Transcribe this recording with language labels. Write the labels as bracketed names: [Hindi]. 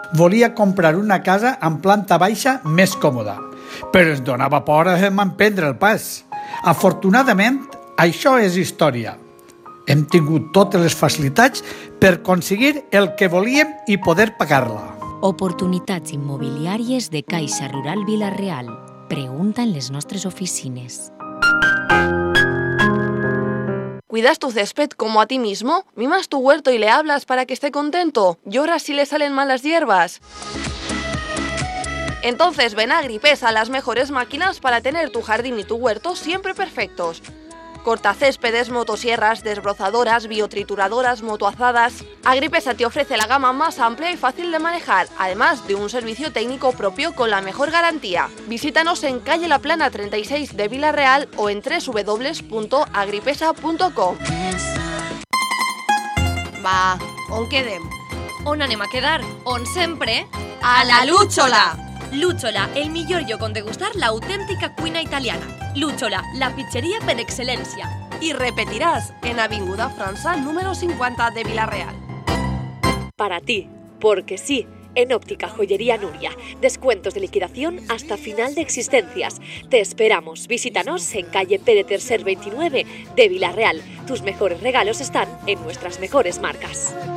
[Catalan] Volia comprar una casa amb planta baixa més còmoda, però ens donava por a emprendre el pas. Afortunadament, això és història. Hem tingut totes les facilitats per aconseguir el que volíem i poder pagar-la. Oportunitats immobiliàries de Caixa Rural Vila-real. Pregunta en les nostres oficines. [Spanish] ¿Cuidas tu césped como a ti mismo? ¿Mimas tu huerto y le hablas para que esté contento? ¿Lloras si le salen malas hierbas? Entonces ven a Gripesa, las mejores máquinas para tener tu jardín y tu huerto siempre perfectos. Cortacéspedes, motosierras, desbrozadoras, biotrituradoras, motoazadas. Agripesa te ofrece la gama más amplia y fácil de manejar, además de un servicio técnico propio con la mejor garantía. Visítanos en calle La Plana 36 de Vila Real o en www.agripesa.com. [Catalan] Va, on quedem? On anem a quedar? On sempre? A la Lúchola! Lúchola, el millor lloc on degustar la autèntica cuina italiana. Lúchola, la pizzeria per excel·lència. I repetiràs en Avinguda França número 50 de Vila-real. [Spanish] Para ti, porque sí, en Óptica Joyería Nuria. Descuentos de liquidación hasta final de existencias. Te esperamos. Visítanos en calle Pere Tercer 29 de Vila-real. Tus mejores regalos están en nuestras mejores marcas.